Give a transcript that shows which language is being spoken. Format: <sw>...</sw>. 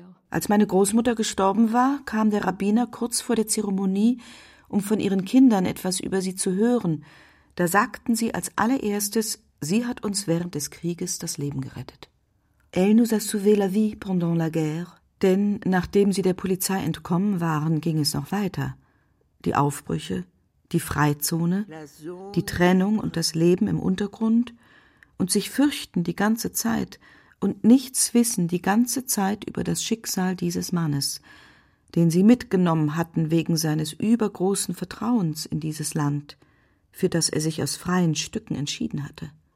<de>Als meine Großmutter gestorben war, kam der Rabbiner kurz vor der Zeremonie, um von ihren Kindern etwas über sie zu hören. Da sagten sie als allererstes, sie hat uns während des Krieges das Leben gerettet.</de> <fr>Elle nous a sauvé la vie pendant la guerre.</fr> <de>Denn nachdem sie der Polizei entkommen waren, ging es noch weiter. Die Aufbrüche, die Freizone, die Trennung und das Leben im Untergrund und sich fürchten die ganze Zeit und nichts wissen die ganze Zeit über das Schicksal dieses Mannes, den sie mitgenommen hatten wegen seines übergroßen Vertrauens in dieses Land, für das er sich aus freien Stücken entschieden hatte.</de>